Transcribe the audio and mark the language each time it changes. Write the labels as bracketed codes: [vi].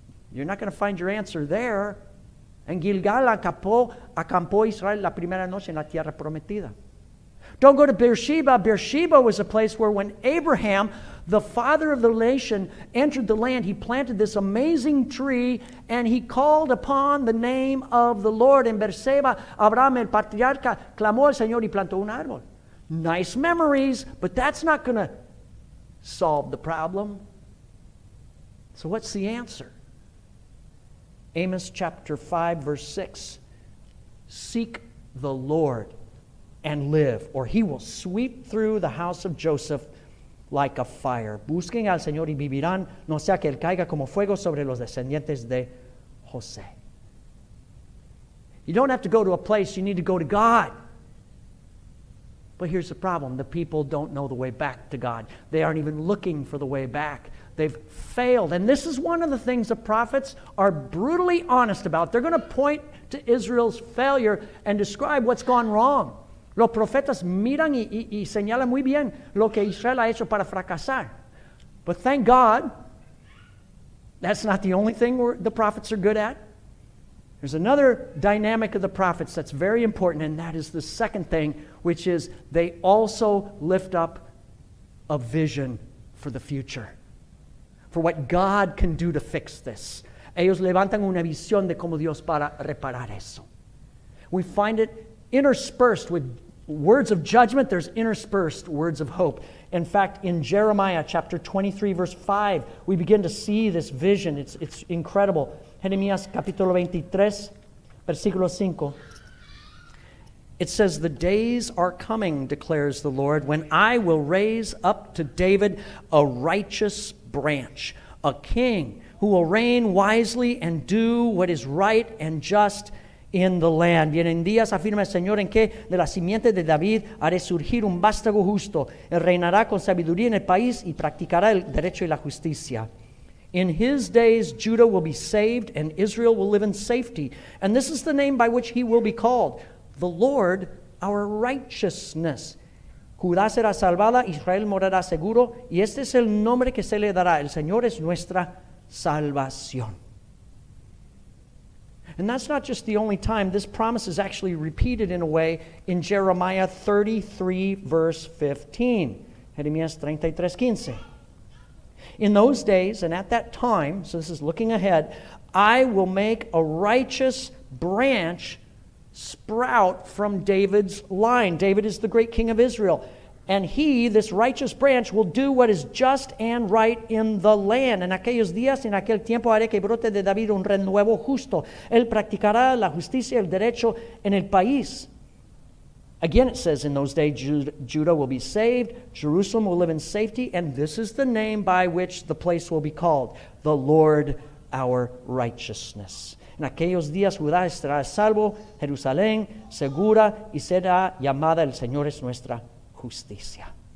[en] You're not going to find your answer there. [es] En Gilgal acampó Israel la primera noche en la tierra prometida. [en] Don't go to Beersheba. Beersheba was a place where when Abraham, the father of the nation, entered the land, he planted this amazing tree and he called upon the name of the Lord. [es] En Beersheba, Abraham, el patriarca, clamó al Señor y plantó un árbol. [en] Nice memories, but that's not going to solve the problem. So what's the answer? Amos chapter 5, verse 6. Seek the Lord and live, or he will sweep through the house of Joseph like a fire. [es] Busquen al Señor y vivirán, no sea que él caiga como fuego sobre los descendientes de José. [en] You don't have to go to a place, you need to go to God. But here's the problem. The people don't know the way back to God. They aren't even looking for the way back. They've failed. And this is one of the things the prophets are brutally honest about. They're going to point to Israel's failure and describe what's gone wrong. [es] Los profetas miran y señalan muy bien lo que Israel ha hecho para fracasar. [en] But thank God, that's not the only thing the prophets are good at. There's another dynamic of the prophets that's very important, and that is the second thing, which is they also lift up a vision for the future, for what God can do to fix this. [es] Ellos levantan una visión de cómo Dios para reparar eso. [en] We find it interspersed with words of judgment, there's interspersed words of hope. In fact, in Jeremiah chapter 23, verse 5, we begin to see this vision. It's incredible. [es] Jeremías capítulo 23, versículo 5. [en] It says, the days are coming, declares the Lord, when I will raise up to David a righteous branch, a king who will reign wisely and do what is right and just in the land. [es] Vienen días, afirma el Señor, en que de la simiente de David haré surgir un vástago justo. Él reinará con sabiduría en el país y practicará el derecho y la justicia. [en] In his days, Judah will be saved and Israel will live in safety. And this is the name by which he will be called, the Lord, our righteousness. [es] Judá será salvada, Israel morará seguro, y este es el nombre que se le dará. El Señor es nuestra salvación. [en] And that's not just the only time. This promise is actually repeated in a way in Jeremiah 33, verse 15. [es] Jeremías 33, 15. [en] In those days and at that time, so this is looking ahead, I will make a righteous branch sprout from David's line. David is the great king of Israel. And he, this righteous branch, will do what is just and right in the land. [es] En aquellos días, en aquel tiempo, haré que brote de David un renuevo justo. Él practicará la justicia y el derecho en el país. [en] Again, it says, in those days, Judah will be saved, Jerusalem will live in safety, and this is the name by which the place will be called, the Lord our righteousness. [es] En aquellos días, Judá estará a salvo, Jerusalén segura, y será llamada el Señor es nuestra justicia.